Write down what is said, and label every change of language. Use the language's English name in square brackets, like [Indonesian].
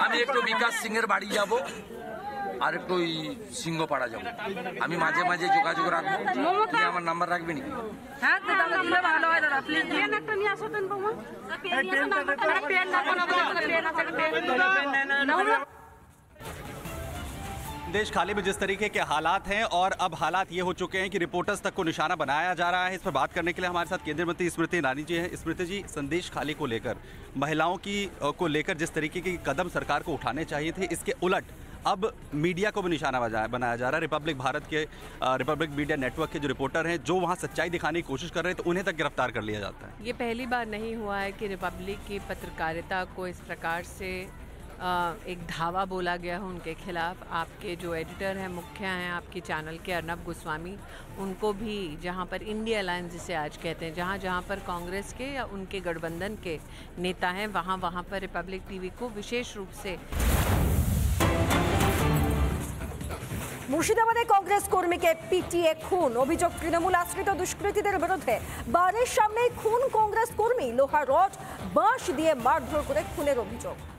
[Bangla] আমি একটু বিকাশ সিং এর বাড়ি যাবো আর একটু ওই সিংহপাড়া যাবো আমি মাঝে মাঝে যোগাযোগ রাখবো তুমি আমার নাম্বার রাখবি নাকি [Hindi] देश खाली में जिस तरीके के हालात हैं और अब हालात ये हो चुके हैं कि रिपोर्टर्स तक को निशाना बनाया जा रहा है इस पर बात करने के लिए हमारे साथ केंद्रीय मंत्री स्मृति ईरानी जी हैं स्मृति जी संदेश खाली को लेकर महिलाओं की को लेकर जिस तरीके के कदम सरकार को उठाने चाहिए थे इसके उलट अब मीडिया को भी निशाना बनाया जा रहा है रिपब्लिक भारत के रिपब्लिक मीडिया नेटवर्क के जो रिपोर्टर हैं जो वहाँ सच्चाई दिखाने की कोशिश कर रहे हैं तो उन्हें तक गिरफ्तार कर लिया जाता है ये पहली बार नहीं हुआ है कि रिपब्लिक की पत्रकारिता को इस प्रकार से एक धावा बोला गया है उनके खिलाफ आपके जो एडिटर हैं मुख्य हैं आपके चैनल के अर्नब गोस्वामी उनको भी जहाँ पर इंडिया अलायंस जिसे आज कहते हैं जहाँ जहाँ पर कांग्रेस के या उनके गठबंधन के नेता हैं वहाँ वहाँ पर रिपब्लिक टीवी को विशेष रूप से [Bangla] মুর্শিদাবাদে কংগ্রেস কর্মীকে পিটিয়ে খুন অভিযোগ তৃণমূল আশ্রিত দুষ্কৃতীদের বিরুদ্ধে বারের সামনে খুন কংগ্রেস কর্মী লোহা রড বাঁশ দিয়ে মারধর করে খুনের অভিযোগ